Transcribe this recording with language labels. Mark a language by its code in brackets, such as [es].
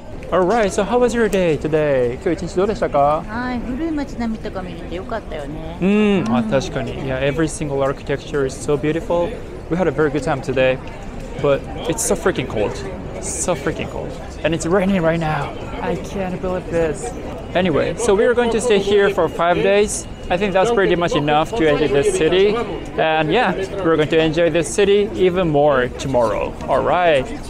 [en] All right, so how was your day today? [ja] 今日一日どうでしたか？はい、古い街並みとか見れてよかったよね。あ、確かに。 [en] Yeah, every single architecture is so beautiful. We had a very good time today, but it's so freaking cold. So freaking cold. And it's raining right now. I can't believe this. Anyway, so we are going to stay here for 5 days. I think that's pretty much enough to enjoy this city. And yeah, we're going to enjoy this city even more tomorrow. All right.